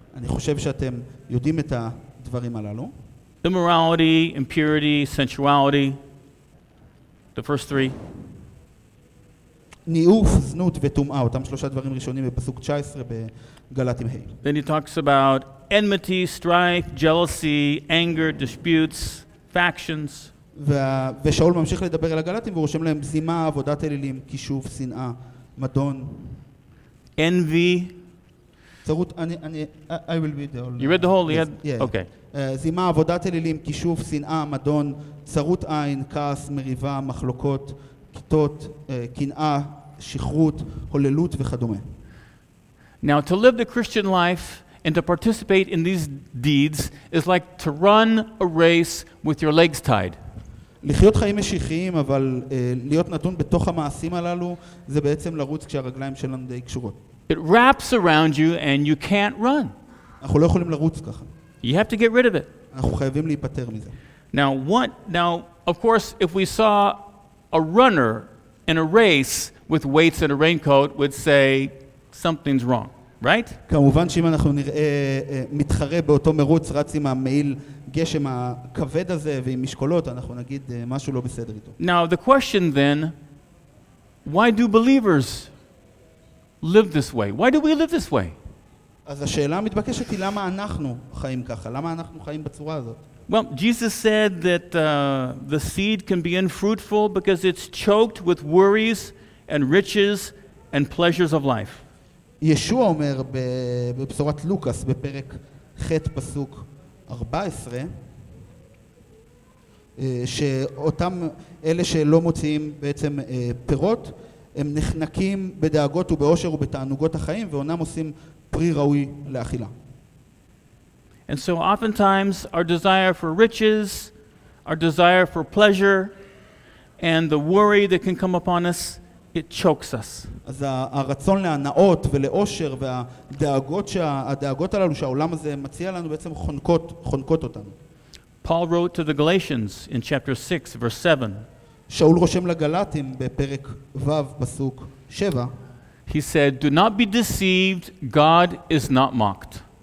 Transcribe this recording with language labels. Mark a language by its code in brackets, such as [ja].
[he] אני חושב שאתם יודעים את הדברים הללו. [en] Immorality, impurity, sensuality. The first three. [he] ניאוף, זנות וטומאה, אותם שלושה דברים ראשונים בפסוק 19 בגלטים ה'. [en] Then he talks about enmity, strife, jealousy, anger, disputes, factions. [he] ושאול ממשיך לדבר על הגלטים והוא רושם להם זימה, עבודת אלילים, כישוף, שנאה, מדון. [en] Envy. [he] צרות, [en] I will read the whole. You read the whole? Yes. Yeah. Okay. [he] זימה, עבודת אלילים, כישוף, שנאה, מדון, צרות עין, כעס, מריבה, מחלוקות, כיתות, קנאה, שכרות, הוללות וכדומה. [en] Now, to live the Christian life and to participate in these deeds is like to run a race with your legs tied. [he] לחיות חיים משיחיים, אבל להיות נתון בתוך המעשים הללו, זה בעצם לרוץ כשהרגליים שלנו די קשורות. [en] It wraps around you and you can't run. [he] אנחנו לא יכולים לרוץ ככה. [en] You have to get rid of it. [he] אנחנו חייבים להיפטר מזה. [en] Now, of course, if we saw a runner in a race with weights and a raincoat, we'd say something's wrong, right? [he] כמובן שאם אנחנו נראה מתחרה באותו מרוץ, רץ עם המעיל גשם הכבד הזה ועם משקולות, אנחנו נגיד משהו לא בסדר איתו. [en] Now, the question then, why do believers live this way? Why do we live this way? [he] אז השאלה המתבקשת היא למה אנחנו חיים ככה? למה אנחנו חיים בצורה הזאת? [en] Well, Jesus said that the seed can be unfruitful because it's choked with worries and riches and pleasures of life. [he] ישוע אומר בבשורת לוקס בפרק ח' פסוק 14 שאותם אלה שלא מוציאים בעצם פירות הם נחנקים בדאגות ובאושר ובתענוגות החיים ואונם עושים פרי ראוי לאכילה. [en] And so oftentimes our desire for riches, our desire for pleasure, and the worry that can come upon us, it chokes us. [he] אז הרצון להנאות ולאושר והדאגות הללו שהעולם הזה מציע לנו בעצם חונקות אותנו. [en] Paul wrote to the Galatians in chapter 6, verse 7. [he] שאול רושם לגלטים בפרק ו' פסוק 7. [en] He said, "Do not be deceived. God is not mocked."